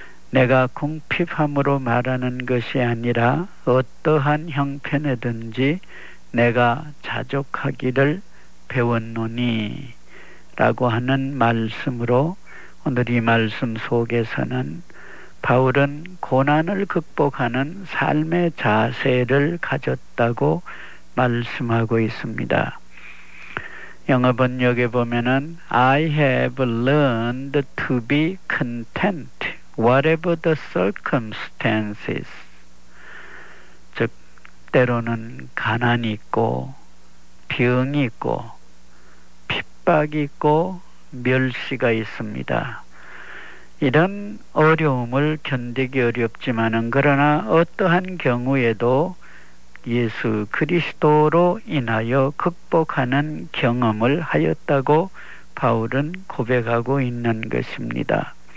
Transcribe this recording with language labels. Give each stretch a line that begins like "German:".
Korean: 내가 궁핍함으로 말하는 것이 아니라 어떠한 형편에든지 내가 자족하기를 배웠노니 라고 하는 말씀으로 오늘 이 말씀 속에서는 바울은 고난을 극복하는 삶의 자세를 가졌다고 말씀하고 있습니다. 영어 번역에 보면은
English: I have learned to be content whatever the circumstances. 즉
Korean: 때로는 가난이 있고 병이 있고 핍박이 있고 멸시가 있습니다. 이런 어려움을 견디기 어렵지만은 그러나 어떠한 경우에도 예수 그리스도로 인하여 극복하는 경험을 하였다고 바울은 고백하고 있는 것입니다.